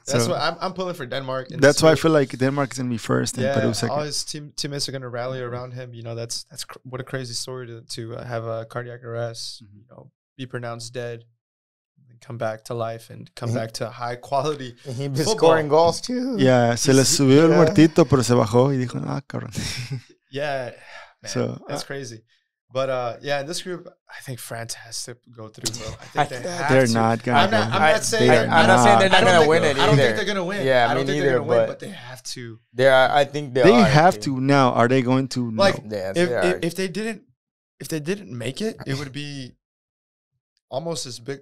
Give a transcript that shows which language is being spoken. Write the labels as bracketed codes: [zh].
[en] That's so, what I'm pulling for Denmark. That's why I feel like Denmark is going to be first and Peru second. All his teammates are going to rally around him. You know, what a crazy story to have a cardiac arrest, mm-hmm. you know, be pronounced dead, and come back to life and come back to high quality football. He'd be scoring goals too. [es] Yeah, se le subió el muertito, pero se bajó y dijo, ah, cabrón. [en] Yeah, man, so, that's crazy. But in this group, I think France has to go through. Bro. I think they're not going to. I'm not saying they're not going to win it either. I don't think they're going to win. Yeah, I don't think they're going to win, but they have to. I think they have to now. Are they going to? Like, no. if they didn't make it, it would be almost as big.